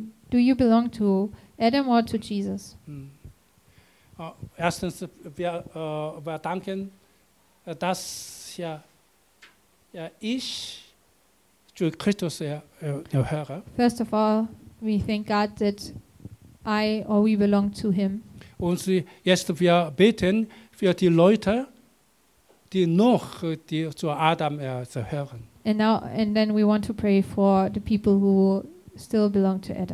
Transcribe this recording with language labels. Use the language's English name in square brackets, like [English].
[English] Do you belong to Adam or to Jesus? [German] Erstens, wir danken, dass ich zu Christus höre. [English] First of all, we thank God that I or we belong to him. [German] Und jetzt wir beten für die Leute, die noch die zu Adam zu hören. [English] And then we want to pray for the people who still belong to Adam.